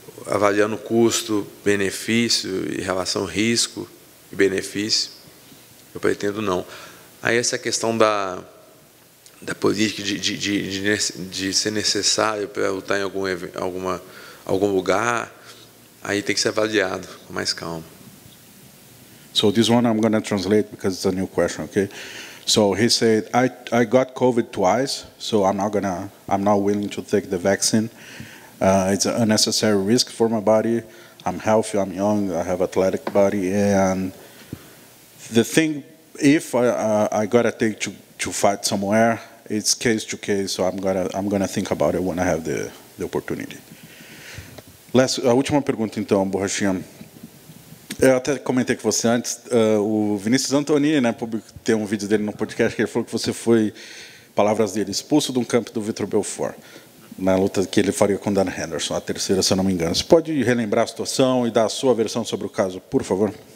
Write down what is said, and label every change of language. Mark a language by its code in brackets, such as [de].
[pt] Avaliando custo-benefício e relação risco e benefício, eu pretendo não. Aí essa questão da política de ser necessário para lutar em algum lugar, aí tem que ser avaliado com mais calma. [en] So this one I'm going to translate because it's a new question, okay? So he said, I got COVID twice, so I'm not willing to take the vaccine. It's an unnecessary risk for my body. I'm healthy, I'm young, I have athletic body. And the thing, if I got to take to fight somewhere, it's case to case, so I'm gonna think about it when I have the opportunity. [pt] A última pergunta, então, Borrachinha. Eu até comentei com você antes, o Vinícius Antoni, né, publicou, tem um vídeo dele no podcast, que ele falou que você foi, palavras dele, expulso de um campo do Vitor Belfort, na luta que ele faria com o Dan Henderson, a terceira, se eu não me engano. Você pode relembrar a situação e dar a sua versão sobre o caso, por favor?